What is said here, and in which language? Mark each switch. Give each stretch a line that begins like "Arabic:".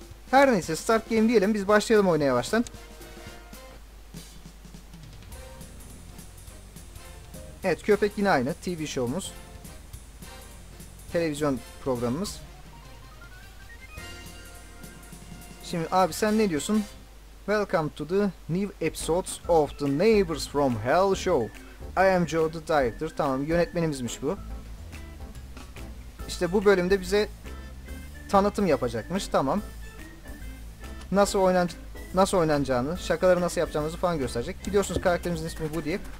Turkish: Her neyse,
English: start game
Turkish: diyelim. Biz başlayalım oynaya baştan. Evet, köpek yine aynı. TV show'umuz. Televizyon programımız. Şimdi abi sen ne diyorsun?
English: Welcome to the new episodes of the Neighbors from Hell show. I am Joe the director.
Turkish: Tamam, yönetmenimizmiş bu. İşte bu bölümde bize tanıtım yapacakmış. Tamam. Nasıl oynanacağını, şakaları nasıl yapacağımızı falan gösterecek. Biliyorsunuz karakterimizin ismi Woody.